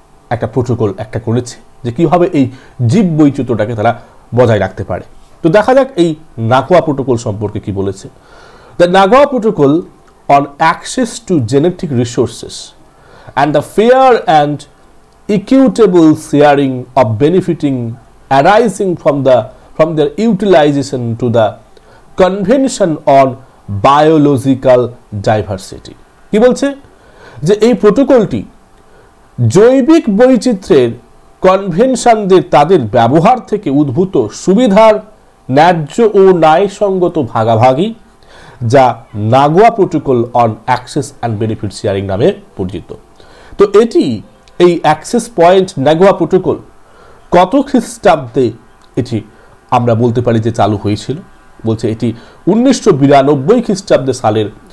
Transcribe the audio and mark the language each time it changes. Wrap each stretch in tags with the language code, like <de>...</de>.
<bn>একটা প্রোটোকল একটা করেছে যে কীভাবে এই জীব বৈচিত্র্যটাকে তারা বজায় রাখতে পারে তো দেখা যাক এই নাগোয়া প্রোটোকল সম্পর্কে কী বলেছে</bn> <en>The Nagoya Protocol on access to genetic resources and the fair and equitable sharing of benefiting arising from the from their utilization to the convention on biological diversity.</en> <bn>কি বলছে যে এই প্রটোকলটি জৈবিক বৈচিত্র্যের কনভেনশনদের তাদের ব্যবহার থেকে উদ্ভূত সুবিধার ন্যায্য ও ন্যায়সঙ্গত ভাগাভাগি যা Nagoya protocol on access and benefit sharing নামে পরিচিত তো এটি এই অ্যাক্সেস পয়েন্ট নাগোয়া প্রটোকল কত খ্রিস্টাব্দে এটি আমরা বলতে পারি যে চালু হয়েছিল বলছে এটি 1992 খ্রিস্টাব্দে সালের</bn>